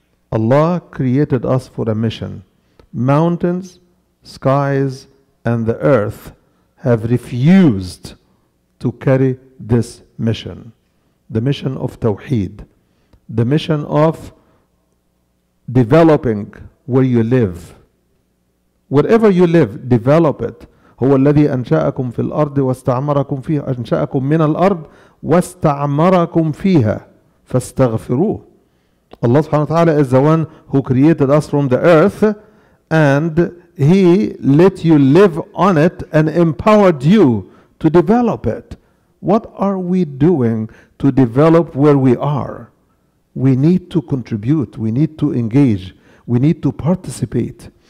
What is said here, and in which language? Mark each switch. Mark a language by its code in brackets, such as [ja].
[en] Allah created us for a mission. Mountains, skies, and the earth have refused to carry this mission, the mission of Tawheed, the mission of developing where you live. Wherever you live, develop it. [ar] هو الذي أنشأكم في الأرض واستعمركم فيها أنشأكم من الأرض واستعمركم فيها فاستغفروه. [en] Allah subhanahu wa ta'ala is the one who created us from the earth and he let you live on it and empowered you to develop it. What are we doing to develop where we are? We need to contribute. We need to engage. We need to participate.